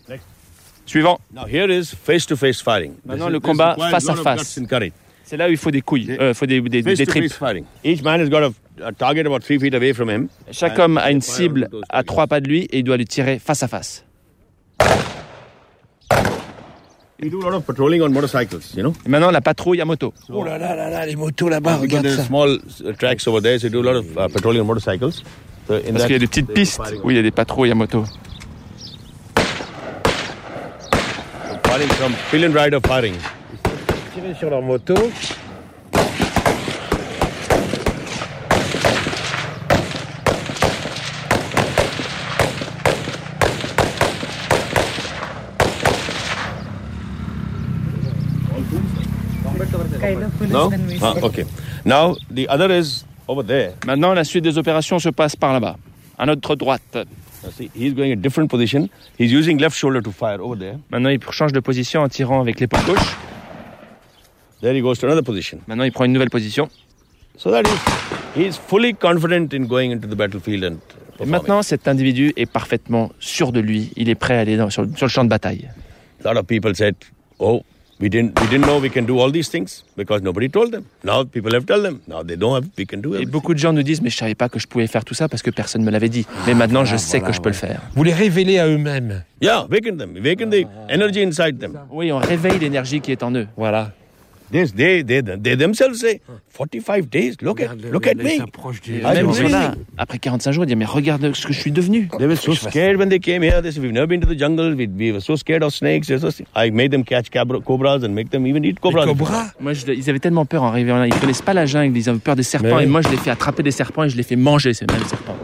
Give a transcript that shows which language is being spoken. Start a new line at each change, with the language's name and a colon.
English: Next.
French: Suivant.
English: Now here is face-to-face firing.
French: Maintenant, le combat face à face. C'est là où il faut des couilles, des tripes.
English: Face-to-face firing. Each man has got a target about 3 feet away from him.
French: Chaque homme a une cible à 3 pas de lui et il doit lui tirer face à face.
English: We do a lot of patrolling on motorcycles, you know.
French: Et maintenant, la patrouille à moto. Oh là là là là, les motos là-bas, regarde ça.
English: There's small tracks over there, so we do a lot of patrolling on motorcycles. So
French: in parce that, qu'il y a des petites pistes où il y a des patrouilles à moto.
English: Firing from fill and rider firing.
French: Ils tirent sur leur moto.
English: No? Ah, okay. Now, the other is over there.
French: Maintenant, la suite des opérations se passe par là-bas, à notre droite.
English: See, he's going a different position. He's using left shoulder to fire over there.
French: Maintenant, il change de position en tirant avec l'épaule gauche.
English: There he goes to another position.
French: Maintenant, il prend une nouvelle position.
English: So that he's fully confident in going into the battlefield and performing.
French: Et maintenant, cet individu est parfaitement sûr de lui. Il est prêt à aller sur le champ de bataille.
English: A lot of people said, oh. We didn't know we can do all these things because nobody told them. Now people have told them. Now they don't have, we can do it.
French: Et beaucoup de gens nous disent, mais je savais pas que je pouvais faire tout ça parce que personne me l'avait dit. Mais maintenant, voilà, je sais voilà, que ouais. Je peux le faire. Vous les révélez à eux-mêmes.
English: Yeah, waken the energy inside them.
French: Oui, on réveille l'énergie qui est en eux. Voilà.
English: This they themselves say 45 days. Look at me.
French: Ils s'approchent du même voilà. Après 45 jours, ils disent, mais regarde ce que je suis devenu.
English: They were so scared when they came here. They said, we've never been to the jungle. We were so scared of snakes. I made them catch cobras and make them even eat cobras.
French: Les cobras. Moi, ils avaient tellement peur en arrivant là. Ils connaissent pas la jungle. Ils avaient peur des serpents. Mais... Et moi, je les fais attraper des serpents et je les fais manger ces mêmes serpents.